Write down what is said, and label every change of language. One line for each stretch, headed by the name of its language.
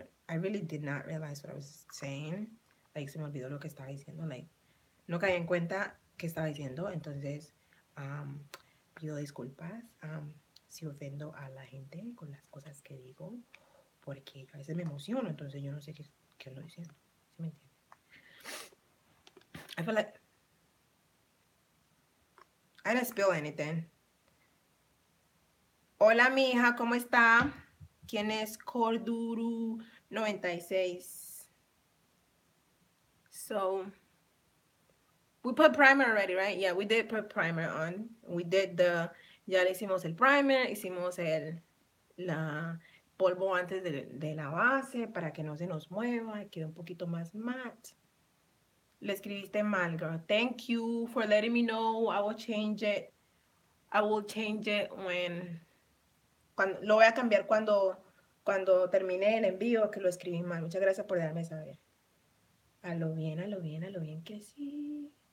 English: I really did not realize what I was saying.
Spanish: Like, se me olvidó lo que estaba diciendo. Like, no caí en cuenta que estaba diciendo. Entonces, pido disculpas si ofendo a la gente con las cosas que digo. Porque a veces me emociono. Entonces, yo no sé qué estoy diciendo. ¿Sí me entiendes?
English: I didn't spill anything.
Spanish: Hola, mija, ¿cómo está? ¿Quién es Corduru 96?
English: So, we put primer already, right? Yeah, we did put primer on. We did the,
Spanish: ya le hicimos el primer, hicimos el la polvo antes de la base para que no se nos mueva, quede un poquito más matte. Le escribiste mal,
English: girl. Thank you for letting me know. I will change it. I will change it when...
Spanish: Cuando, lo voy a cambiar cuando termine el envío, que lo escribí mal. Muchas gracias por darme saber. A lo bien que sí.